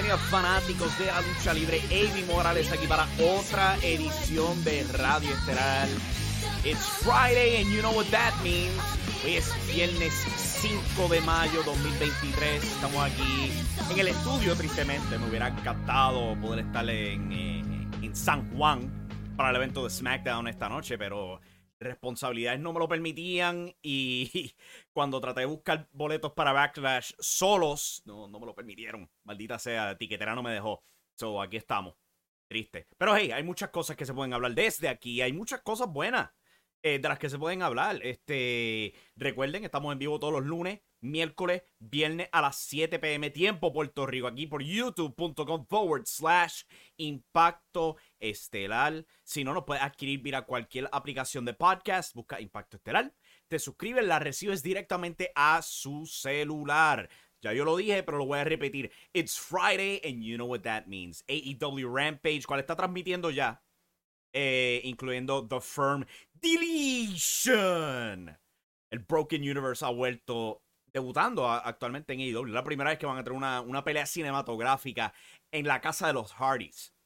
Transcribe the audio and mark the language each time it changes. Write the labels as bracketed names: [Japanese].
[Spanish] Fanáticos de la lucha libre, Amy Morales aquí para otra edición de Radio Estelar. [English] It's Friday and you know what that means. [Spanish] Hoy es viernes 5 de mayo 2023. Estamos aquí en el estudio, tristemente. Me hubiera encantado poder estar en San Juan para el evento de SmackDown esta noche, pero responsabilidades no me lo permitían y cuando traté de buscar boletos para Backlash solos, no me lo permitieron. Maldita sea, tiquetera no me dejó. So, aquí estamos. Triste. Pero hey, hay muchas cosas que se pueden hablar desde aquí. Hay muchas cosas buenas de las que se pueden hablar. Recuerden, estamos en vivo todos los lunes, miércoles, viernes a las 7 p.m. tiempo Puerto Rico, aquí por youtube.com/Impacto Estelar. Si no, nos puedes adquirir mira cualquier aplicación de podcast, busca Impacto Estelar, te suscribes, la recibes directamente a su celular. Ya yo lo dije, pero lo voy a repetir. [English] It's Friday and you know what that means. [Spanish] AEW Rampage, cual está transmitiendo ya, incluyendo The Firm Deletion. El Broken Universe ha vuelto debutando actualmente en AEW. La primera vez que van a tener una pelea cinematográfica en la casa de los Hardys.